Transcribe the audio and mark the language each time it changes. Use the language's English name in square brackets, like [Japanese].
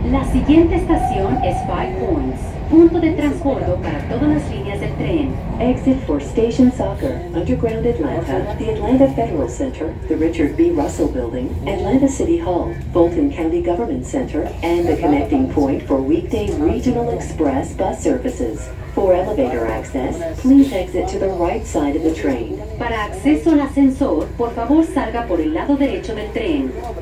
[Spanish] La siguiente estación es Five Points, punto de transbordo para todas las líneas del tren. [English] Exit for Station Soccer, Underground Atlanta, the Atlanta Federal Center, the Richard B. Russell Building, Atlanta City Hall, Fulton County Government Center, and the connecting point for weekday regional express bus services. For elevator access, please exit to the right side of the train. [Spanish] Para acceso al ascensor, por favor salga por el lado derecho del tren.